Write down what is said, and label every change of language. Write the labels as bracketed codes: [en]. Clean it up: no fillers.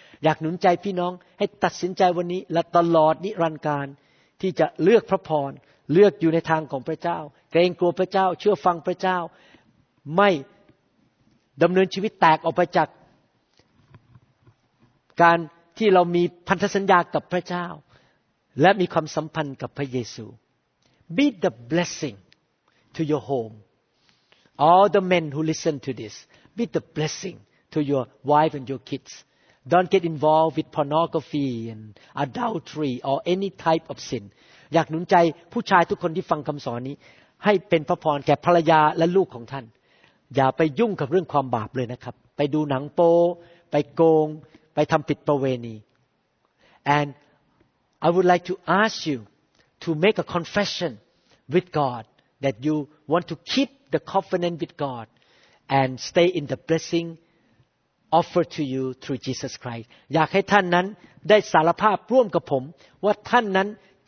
[th] อยากหนุนใจพี่น้องให้ตัดสินใจวันนี้และตลอดนิรันดร์กาลที่จะเลือกพระพรเลือกอยู่ในทางของพระเจ้าเกรงกลัวพระเจ้าเชื่อฟังพระเจ้าไม่ดำเนินชีวิตแตกออกไปจากการที่เรามีพันธสัญญากับพระเจ้าและมีความสัมพันธ์กับพระเยซู [en] Be the blessing to your home. All the men who listen to this, be the blessing to your wife and your kids. Don't get involved with pornography and adultery or any type of sin. [th] อยากหนุนใจผู้ชายทุกคนที่ฟังคำสอนนี้ให้เป็นพระพรแก่ภรรยาและลูกของท่านอย่าไปยุ่งกับเรื่องความบาปเลยนะครับไปดูหนังโป๊ไปโกงไปทำผิดประเวณี [en] andI would like to ask you to make a confession with God that you want to keep the covenant with God and stay in the blessing offered to you through Jesus Christ. [th] อยากให้ท่านนั้นได้สารภาพร่วมกับผมว่าท่านนั้นจ